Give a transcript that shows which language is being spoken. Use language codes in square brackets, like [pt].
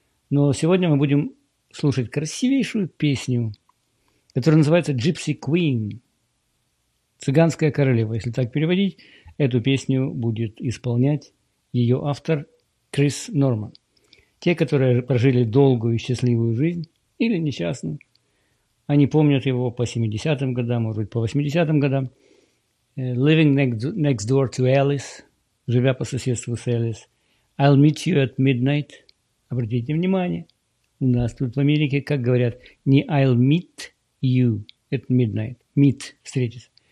[ru] Но сегодня мы будем слушать красивейшую песню, которая называется «Gypsy Queen», «Цыганская королева», если так переводить. Эту песню будет исполнять ее автор Крис Норман. Те, которые прожили долгую и счастливую жизнь, или несчастную, они помнят его по 70-м годам, может быть, по 80-м годам. [en] «Living next door to Alice», [ru] «Живя по соседству с Alice», [en] «I'll meet you at midnight». [ru] Обратите внимание, у нас тут в Америке, как говорят, не [en] «I'll meet you at midnight», [ru] «meet» – «встретиться».